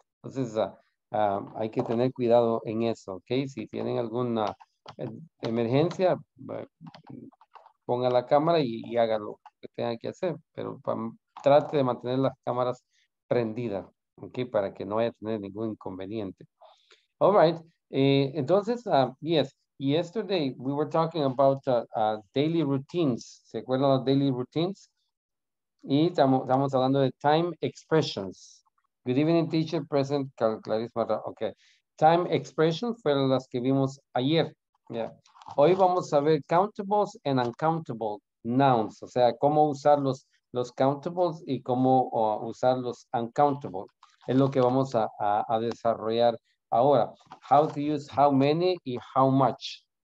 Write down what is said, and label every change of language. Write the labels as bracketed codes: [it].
[es] Entonces, hay que tener cuidado en eso, ¿ok? Si tienen alguna emergencia, ponga la cámara y haga lo que tenga que hacer. Pero trate de mantener las cámaras prendidas, ¿ok? Para que no vaya a tener ningún inconveniente. [en] All right. [es] Entonces, [en] yes, yesterday we were talking about daily routines. [es] ¿Se acuerdan los daily routines? Y estamos hablando de time expressions. [en] Good evening, teacher, present, Clarice Marra. Okay. Time expressions [es] fueron las que vimos ayer. [en] Yeah. [es] Hoy vamos a ver countables and uncountable nouns. O sea, cómo usar los countables y cómo usar los uncountable. Es lo que vamos a desarrollar. Ahora, [en] how to use how many y how much.